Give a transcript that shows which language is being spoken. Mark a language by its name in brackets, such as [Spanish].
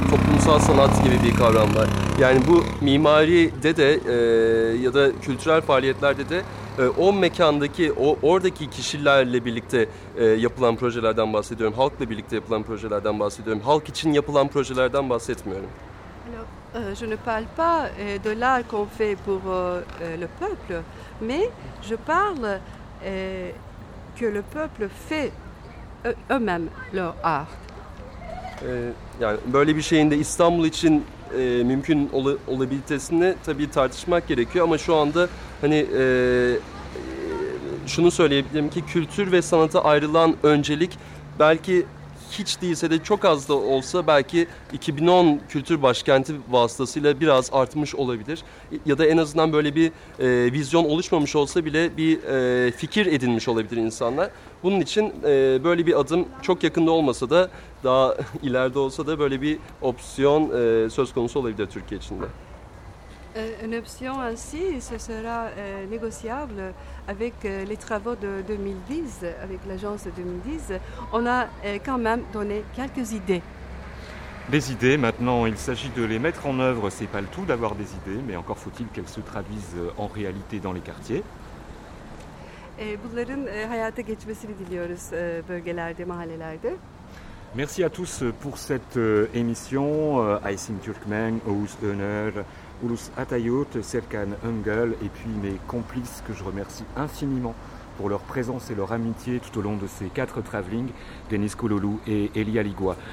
[Turkish] Toplumsal sanat gibi bir kavram var. Yani bu mimaride de ya da kültürel faaliyetlerde de o mekandaki, oradaki kişilerle birlikte yapılan projelerden bahsediyorum. Halkla birlikte yapılan projelerden bahsediyorum. Halk için yapılan projelerden bahsetmiyorum. [French] Je ne parle pas de l'art qu'on fait pour le peuple, mais je parle que le peuple fait eux-mêmes leur art. [Turkish] Yani böyle bir şeyin de İstanbul için mümkün olabilitesini tabii tartışmak gerekiyor ama şu anda hani şunu söyleyebilirim ki kültür ve sanata ayrılan öncelik belki hiç değilse de çok az da olsa belki 2010 kültür başkenti vasıtasıyla biraz artmış olabilir. Ya da en azından böyle bir vizyon oluşmamış olsa bile bir fikir edinmiş olabilir insanlar. Bunun için böyle bir adım çok yakında olmasa da daha ileride olsa da böyle bir opsiyon söz konusu olabilir Türkiye için de. [French] Une option ainsi, ce sera négociable avec les travaux de 2010, avec l'agence de 2010. On a quand même donné quelques idées. Des idées, maintenant, il s'agit de les mettre en œuvre. C'est pas le tout d'avoir des idées, mais encore faut-il qu'elles se traduisent en réalité dans les quartiers. [Turkish] Bunların hayata geçmesini diliyoruz bölgelerde, mahallelerde. [French] Merci à tous pour cette émission. Aysim Türkmen, Oğuz Öner, Ulus Atayot, Serkan Engel et puis mes complices que je remercie infiniment pour leur présence et leur amitié tout au long de ces quatre travelling, Denis Kouloulou et Eli Aligua.